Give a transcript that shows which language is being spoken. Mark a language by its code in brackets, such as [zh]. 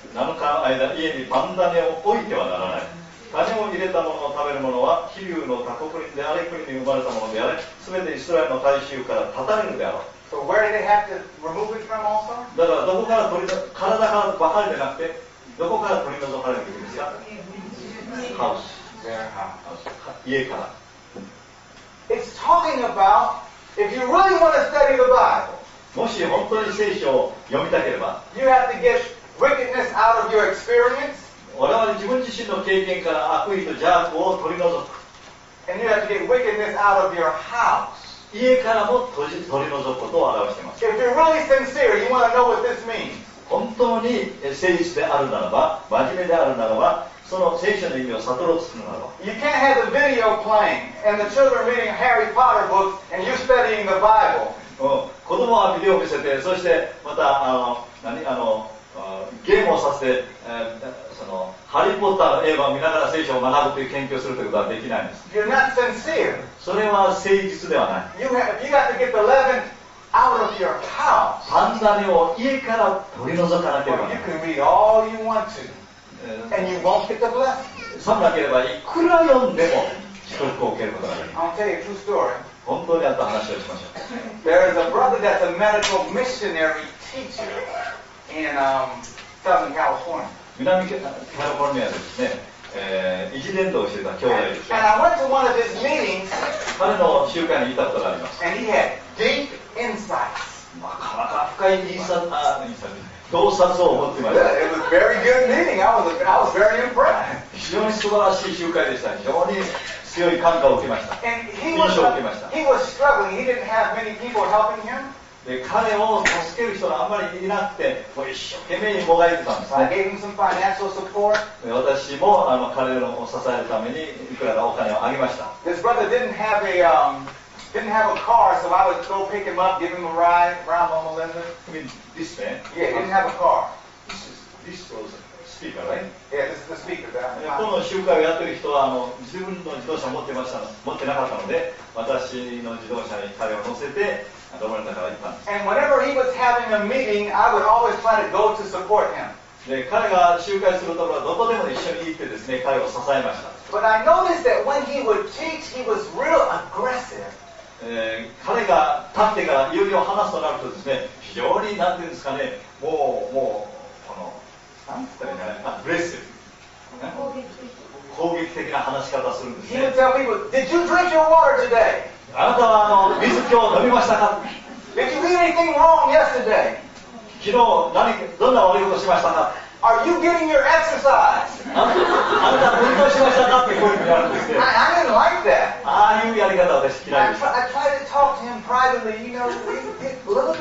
[ja] 7日間間、家にパンダネを置いてはならない。種を入れたものを食べるものは、飛竜の他国であれ、国に生まれたものであれ、すべてイスラエルの大衆から断たれるであろう。 [en] So where did they have to remove it from also? [ja] だからどこから取り出す、体から分かれてなくて、どこから取り除かれているんですか？ハウス。家から。 [en] It's talking about, if you really want to study the Bible, [ja] もし本当に聖書を読みたければ、 [en] you have to get wickedness out of your experience. [ja] 我々自分自身の経験から悪意と邪悪を取り除く。 [en] And you have to get wickedness out of your house. [ja] 家からも取り除くことを表しています。 [en] If you're really sincere, you want to know what this means. [ja] 本当に誠実であるならば、真面目であるならば、その聖書の意味を悟ろうとするならば。 [en] You can't have the video playing and the children reading Harry Potter books and you studying the Bible. [ja] 子供はビデオを見せて、そしてまたゲームをさせて、ハリー・ポッターの映画を見ながら聖書を学ぶという研究をするということはできないんです。 [en] You're not sincere. [ja] それは誠実ではない。 [en] you got to get the leaven out of your house. [ja] パンダネを家から取り除かなければならない。 [en] You can read all you want to, and you won't get the blessing. [ja] さもなければいくら読んでも祝福を受けることができない。 [en] I'll tell you a true story. [ja] 本当にあった話をしましょう。 [en] There is a brother that's a medical missionary teacher in Southern California. [ja] 南カリフォルニアですね、一伝道をしていた兄弟です。 [en] And I went to one of his meetings, [ja] 彼の集会に行ったことがあります。 [en] And he had deep insights. [ja] なかなか深いインサート、洞察を持っていました。 [en] It was a very good meeting. I was very impressed. [ja] 非常に素晴らしい集会でした。非常に強い感化を受けました。 [en] And he [ja] 印象を受けました。 [en] He was struggling. He didn't have many people helping him. [ja] で彼を助ける人があんまりいなくて、もう一生懸命にもがいてたんです、ね。 [en] I gave him some financial support. [ja] 私も彼らを支えるためにいくらかお金をあげました。 [en] His brother didn't have a car, so I would go pick him up, give him a ride around Loma Linda. I mean, this man? Yeah, he didn't have a car. This was a speaker, right? Yeah, this is the speaker that I'm on. [ja] この集会をやってる人は自分の自動車を持ってなかったので、私の自動車に彼を乗せて、 [en] And whenever he was having a meeting, I would always try to go to support him. [ja] で、彼が集会するところはどこでも一緒に行ってですね、彼を支えました。 [en] But I noticed that when he would teach, he was real aggressive. [ja] 彼が立ってから言うよ話すとなるとですね、非常に何て言うんですかね、もうこの、なんて言ったらいいかな、aggressive。攻撃的な話し方をするんですね。 [en] He would tell people, "Did you drink your water today?" [ja] あなたは水今日飲みましたか？ [en] Did you do anything wrong yesterday? [ja] 昨日どんな悪いことしましたか？ [en] Are you getting your exercise? [ja] あなた運動しましたかって声になるんですけど。 [en] I didn't like that. [ja] ああいうやり方は私嫌いでした [en] 。 I tried to talk to him privately, you know, a little bit too hard.